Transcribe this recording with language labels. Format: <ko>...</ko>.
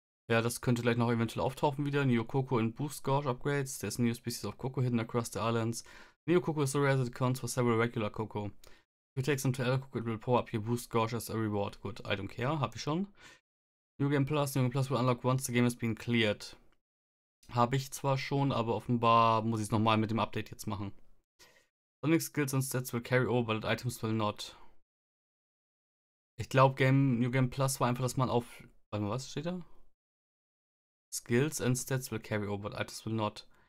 <de>Ja, das könnte gleich noch eventuell auftauchen wieder.</de> <en>Neo Coco in Boost Gorge Upgrades. There's a new species of Coco hidden across the islands. Neo Coco is so rare that it counts for several regular Coco. If you take some to El Coco, it will power up your Boost Gorge as a reward. Good, I don't care.</en> <de>Hab ich schon.</de> <en>New Game Plus will unlock once the game has been cleared.</en> <de>Habe ich zwar schon, aber offenbar muss ich es nochmal mit dem Update jetzt machen.</de> <en>Sonic Skills and Stats will carry over, but items will not.</en> <de>Ich glaube, New Game Plus war einfach, dass man auf. Warte mal, was steht da?</de> <en>Skills and Stats will carry over, but items will not.</en>